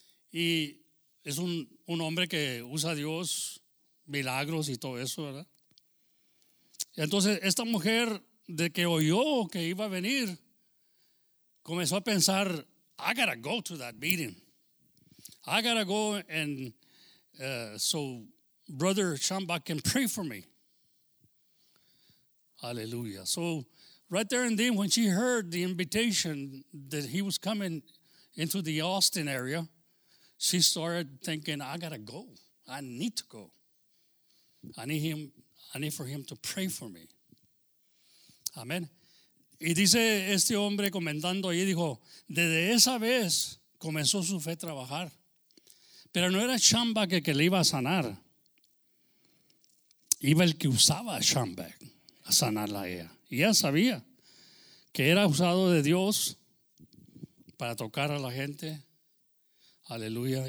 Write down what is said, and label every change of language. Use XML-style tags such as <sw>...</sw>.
<es>Y es un hombre que usa a Dios, milagros y todo eso, ¿verdad? Entonces, esta mujer de que oyó que iba a venir, comenzó a pensar,</es> <en>I gotta go to that meeting. I gotta go and so Brother Schambach can pray for me. Hallelujah. So right there and then when she heard the invitation that he was coming into the Austin area, she started thinking, I gotta go. I need to go. I need for him to pray for me. Amen.</en> <es>Y dice este hombre comentando ahí, dijo, desde esa vez comenzó su fe a trabajar. Pero no era Schambach que le iba a sanar. Iba el que usaba a Schambach a sanarla a ella. Y ella sabía que era usado de Dios para tocar a la gente. Aleluya.</es>